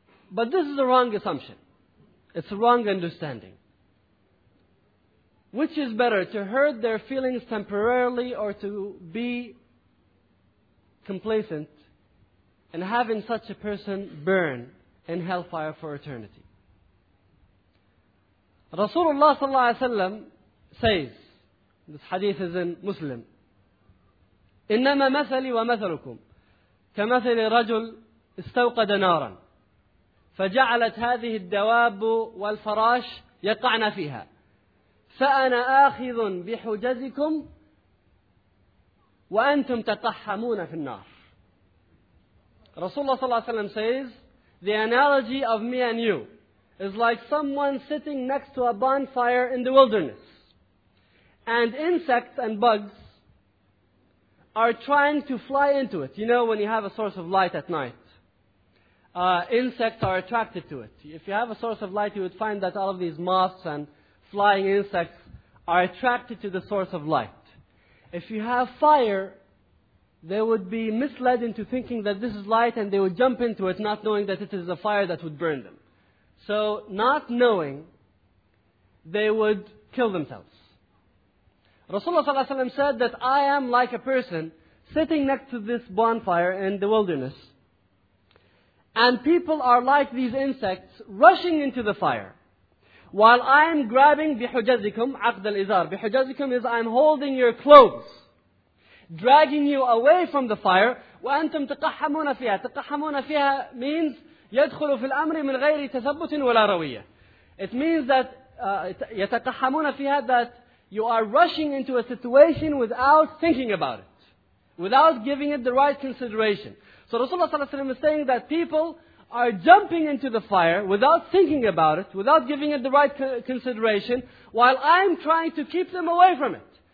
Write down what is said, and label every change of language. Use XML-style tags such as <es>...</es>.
<en>But this is a wrong assumption. It's a wrong understanding. Which is better, to hurt their feelings temporarily or to be complacent and having such a person burn in hellfire for eternity? Rasulullah sallallahu alayhi wa sallam says, this hadith is in Muslim,</en> <ar>إِنَّمَا مَثَلِي وَمَثَلُكُمْ كَمَثَلِ رَجُلْ إِسْتَوْقَدَ نَارًا فَجَعَلَتْ هَذِهِ الدَّوَابُ وَالْفَرَاشِ يَقَعْنَ فِيهَا فَأَنَا آخِذٌ بِحُجَزِكُمْ وَأَنْتُمْ تَطَحَّمُونَ فِي النَّارِ.</ar> <en>Rasulullah sallallahu alayhi wa sallam says, the analogy of me and you is like someone sitting next to a bonfire in the wilderness. And insects and bugs are trying to fly into it. You know, when you have a source of light at night, insects are attracted to it. If you have a source of light, you would find that all of these moths and flying insects are attracted to the source of light. If you have fire, they would be misled into thinking that this is light and they would jump into it, not knowing that it is a fire that would burn them. So, not knowing, they would kill themselves. Rasulullah ﷺ said that I am like a person sitting next to this bonfire in the wilderness, and people are like these insects rushing into the fire. While I am grabbing bihujazikum, aqd al-izar. Bihujazikum is I am holding your clothes, dragging you away from the fire.</en> <ar>وَأَنْتُمْ تَقَحَّمُونَ فِيهَا. تَقَحَّمُونَ فِيهَا means يَدْخُلُ فِي الْأَمْرِ مِنْ غَيْرِ تَثَبُّتٍ وَلَا رَوِيَّةٍ.</ar> <en>It means that</en> <ar>يَتَقَحَّمُونَ فِيهَا,</ar> <en>that you are rushing into a situation without thinking about it, without giving it the right consideration. So Rasulullah صلى الله عليه وسلم is saying that people are jumping into the fire without thinking about it, without giving it the right consideration, while I'm trying to keep them away from it.</en>